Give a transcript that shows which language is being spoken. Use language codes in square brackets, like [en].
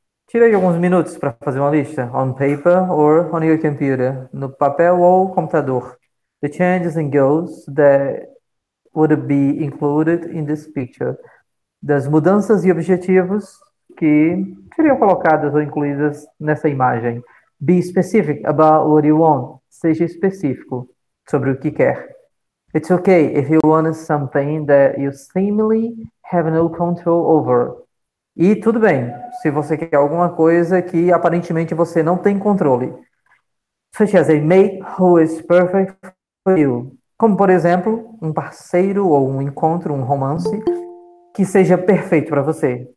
[pt] Tire aí alguns minutos para fazer uma lista. [en] On paper or on your computer. [pt] No papel ou computador. [en] The changes and goals that would be included in this picture. [pt] Das mudanças e objetivos que seriam colocadas ou incluídas nessa imagem. [en] Be specific about what you want. [pt] Seja específico sobre o que quer. [en] It's okay if you want something that you seemingly have no control over. [pt] E tudo bem, se você quer alguma coisa que aparentemente você não tem controle. [en] Such as a mate who is perfect for you. [pt] Como, por exemplo, um parceiro ou um encontro, um romance, que seja perfeito para você.